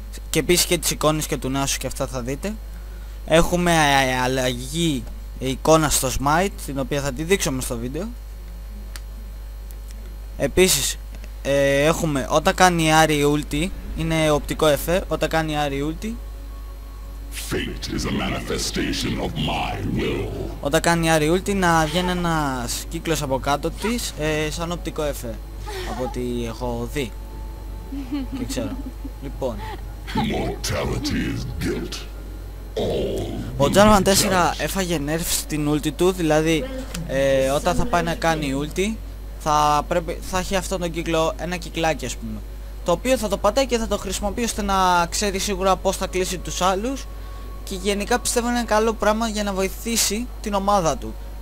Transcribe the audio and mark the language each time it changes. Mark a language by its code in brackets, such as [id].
[el] Και επίσης και τις εικόνες και του Νάσου και αυτά θα δείτε. Έχουμε αλλαγή εικόνα στο Smite, την οποία θα τη δείξουμε στο βίντεο. Επίσης έχουμε όταν κάνει η Άρη ulti, είναι οπτικό εφέ, όταν κάνει η Άρη ulti. [en] Fate is a manifestation of my will. [el] Όταν κάνει η Άρη ulti να βγαίνει ένας κύκλος από κάτω της σαν οπτικό εφέ, από ό,τι έχω δει και ξέρω. Λοιπόν, [en] mortality is guilt. [el] Ο Τζάρμαν 4 έφαγε nerf στην ulti του, δηλαδή όταν θα πάει να κάνει η ulti θα έχει αυτόν τον κύκλο, ένα κυκλάκι ας πούμε, το οποίο θα το πατάει και θα το χρησιμοποιεί ώστε να ξέρει σίγουρα πως θα κλείσει τους άλλους. Και γενικά πιστεύω είναι ένα καλό πράγμα για να βοηθήσει την ομάδα του.